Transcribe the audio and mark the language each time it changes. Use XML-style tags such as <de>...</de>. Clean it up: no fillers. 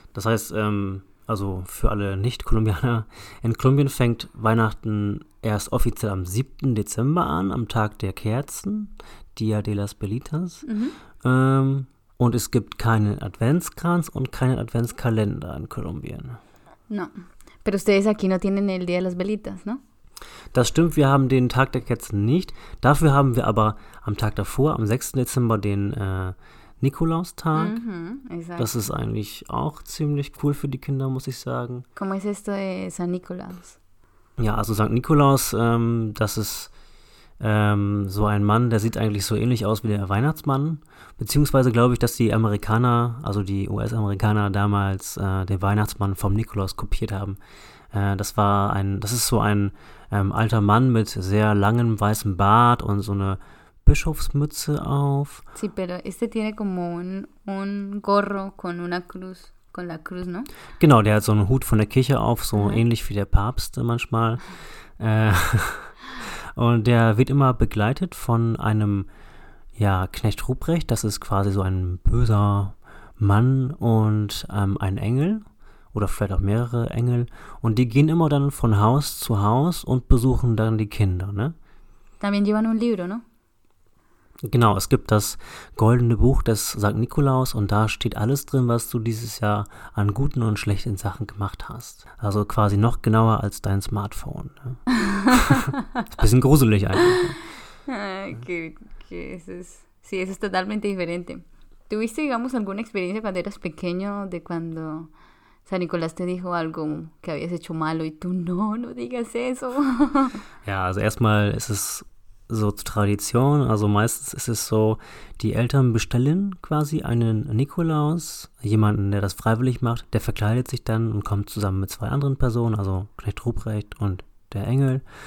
<de>Das heißt, also für alle Nicht-Kolumbianer, in Kolumbien fängt Weihnachten erst offiziell am 7. Dezember an, am Tag der Kerzen, Dia de las Velitas. Und es gibt keinen Adventskranz und keinen Adventskalender in Kolumbien.</de> <es>No, pero ustedes aquí no tienen el Día de las Velitas, ¿no?</es> <de>Das stimmt, wir haben den Tag der Kerzen nicht. Dafür haben wir aber am Tag davor, am 6. Dezember, den Nikolaustag.</de> <es>Exacto.</es> <de>Das ist eigentlich auch ziemlich cool für die Kinder, muss ich sagen.</de> <es>¿Cómo es esto de San Nicolás?</es> <de>Ja, also St. Nikolaus, das ist so ein Mann, der sieht eigentlich so ähnlich aus wie der Weihnachtsmann. Beziehungsweise glaube ich, dass die Amerikaner, also die US-Amerikaner damals den Weihnachtsmann vom Nikolaus kopiert haben. Das ist so ein alter Mann mit sehr langem weißem Bart und so eine Bischofsmütze auf.</de> <es>Sí, pero este tiene como un gorro con una cruz. Con la cruz, ¿no?</es> <de>Genau, der hat so einen Hut von der Kirche auf, so ähnlich wie der Papst manchmal. Und der wird immer begleitet von einem, ja, Knecht Ruprecht, das ist quasi so ein böser Mann und ein Engel oder vielleicht auch mehrere Engel. Und die gehen immer dann von Haus zu Haus und besuchen dann die Kinder, ne?</de> <es>También llevan un libro, ¿no?</es> <de>Genau, es gibt das goldene Buch des St. Nikolaus und da steht alles drin, was du dieses Jahr an guten und schlechten Sachen gemacht hast. Also quasi noch genauer als dein Smartphone. Ne? Bisschen gruselig eigentlich.</de> <es>Okay,</es> <de>es ist</de> <es>totalmente diferente. ¿Tuviste, digamos, alguna experiencia cuando eras pequeño de cuando San Nicolás te dijo algo que habías hecho malo y tú no, no digas eso?</es> <de>Ja, also erstmal ist es so zur Tradition. Also meistens ist es so, die Eltern bestellen quasi einen Nikolaus, jemanden, der das freiwillig macht, der verkleidet sich dann und kommt zusammen mit zwei anderen Personen, also Knecht Ruprecht und der Engel.</de>